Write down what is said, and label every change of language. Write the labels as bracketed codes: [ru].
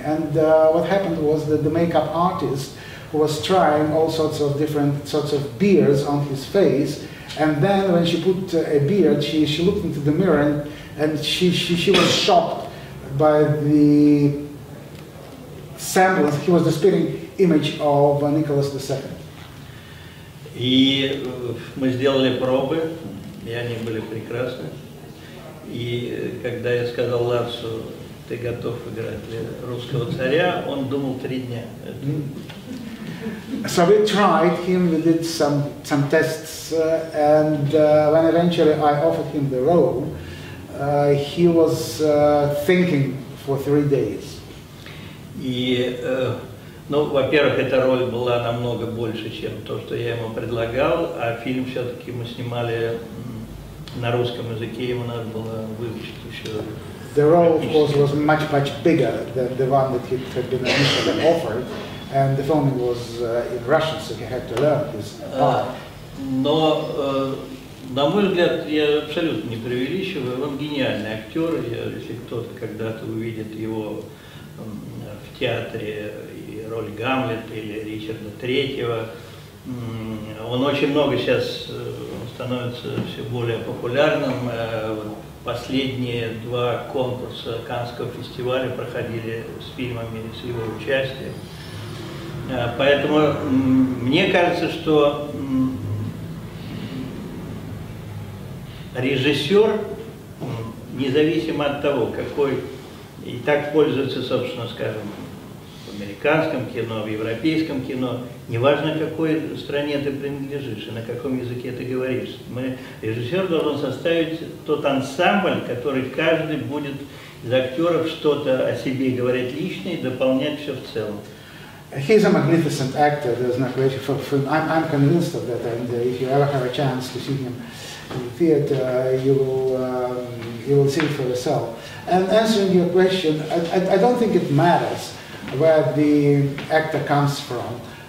[en] And what happened was that the makeup artist, who was trying all sorts of different sorts of beards on his face, and then when she put a beard, she looked into the mirror, and she was shocked by the semblance, he was the spitting image of Nicholas II. [ru] И мы сделали пробы, и они были прекрасны. И когда я сказал Ларсу, ты готов играть для русского царя, он думал три дня. [en] So we tried him, we did some tests, and when eventually I offered him the role, he was thinking for 3 days. [ru] И, ну, во-первых, эта роль была намного больше, чем то, что я ему предлагал, а фильм все-таки мы снимали на русском языке, ему надо было выучить еще. [en] The role, of course, was much, much bigger than the one that he had been initially offered, and the filming was in Russian, so he had to learn his part. [ru] Но, на мой взгляд, я абсолютно не преувеличиваю, он гениальный актер, если кто-то когда-то увидит его в театре и роль Гамлета или Ричарда Третьего, он очень много сейчас становится все более популярным. Последние два конкурса Каннского фестиваля проходили с фильмами с его участием. Поэтому мне кажется, что режиссер, независимо от того, какой, и так пользуется, собственно, скажем, в американском кино, в европейском кино, неважно, какой стране ты принадлежишь и на каком языке ты говоришь, режиссер должен составить тот ансамбль, который каждый будет из актеров что-то о себе говорить лично и дополнять все в целом. [en] He's a magnificent actor, there's no question. I'm convinced of that, and if you ever have a chance to see him in the theater, you will see it for yourself. And answering your question, I don't think it matters where the actor comes from.